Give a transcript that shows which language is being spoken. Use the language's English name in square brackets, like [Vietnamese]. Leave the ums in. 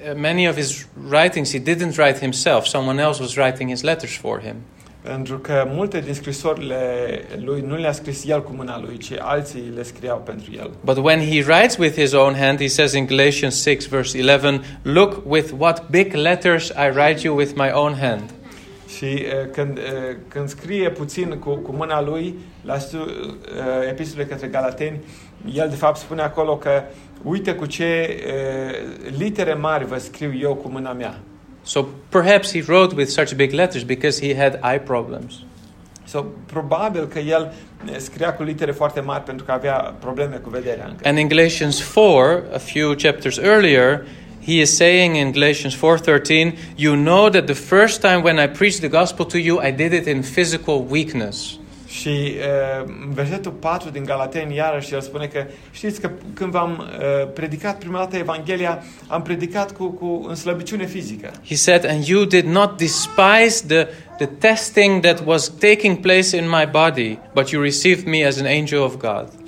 [English] many of his writings he didn't write himself, someone else was writing his letters for him. [Romanian] Pentru că multe din scrisorile lui nu le-a scris el cu mâna lui, ci alții le scriau pentru el. [English] But when he writes with his own hand, he says in Galatians 6 verse 11, "Look with what big letters I write you with my own hand." [Romanian] Și uh, când uh, când scrie puțin cu cu mâna lui la stu, uh, epistole către Galateni, el de fapt spune acolo că uite cu ce uh, litere mari vă scriu eu cu mâna mea. [English] So perhaps he wrote with such big letters because he had eye problems. [Romanian] So probabil că el scria cu litere foarte mari pentru că avea probleme cu vederea [English] And in Galatians 4, a few chapters earlier, he is saying in Galatians 4:13, you know that the first time when I preached the gospel to you, I did it in physical weakness. [Romanian] Și în uh, versetul 4 din Galateni, iarăși, el spune că știți că când v-am uh, predicat prima dată Evanghelia, am predicat cu, cu în slăbiciune fizică. [English] He said, and you did not despise the, the testing that was taking place in my body, but you received me as an angel of God.